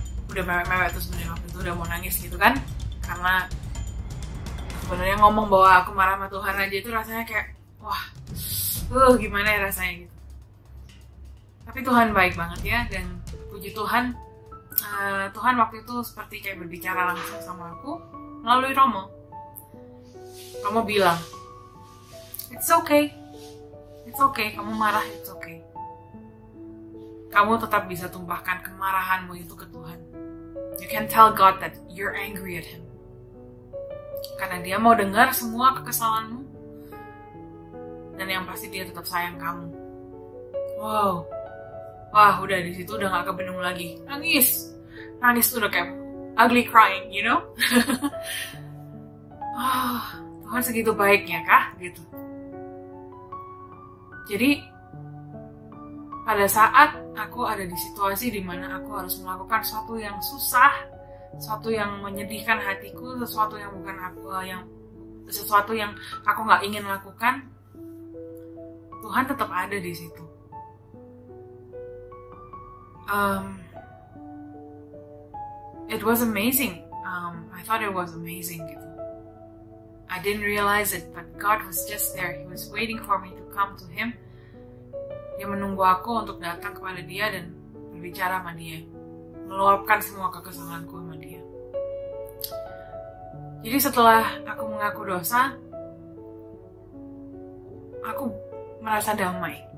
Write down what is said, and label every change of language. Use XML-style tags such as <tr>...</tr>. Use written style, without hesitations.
<id>Udah mewek-mewek tuh sebenarnya waktu itu, udah mau nangis gitu kan. Karena sebenarnya ngomong bahwa aku marah sama Tuhan aja itu rasanya kayak, wah, gimana ya rasanya gitu. Tapi Tuhan baik banget ya, dan puji Tuhan, Tuhan waktu itu seperti kayak berbicara langsung sama aku melalui Romo. Romo bilang,</id> <en>it's okay,</en> <id>kamu marah, it's okay. Kamu tetap bisa tumpahkan kemarahanmu itu ke Tuhan.</id> <en>You can tell God that you're angry at Him.</en> <id>Karena Dia mau dengar semua kekesalanmu, dan yang pasti Dia tetap sayang kamu. Wow. Wah, udah di situ udah gak kebendung lagi. Nangis tuh udah kayak</id> <en>ugly crying, you know?</en> <id>Oh, Tuhan segitu baiknya kah? Gitu. Jadi, pada saat aku ada di situasi dimana aku harus melakukan sesuatu yang susah, sesuatu yang menyedihkan hatiku, sesuatu yang bukan aku, yang sesuatu yang aku gak ingin lakukan, Tuhan tetap ada di situ.</id> <en>It was amazing. I thought it was amazing. Gitu. I didn't realize it, but God was just there. He was waiting for me to come to Him.</en> <id>Dia menunggu aku untuk datang kepada Dia dan berbicara sama Dia, meluapkan semua kekesalanku sama Dia. Jadi setelah aku mengaku dosa, aku merasa damai.</id>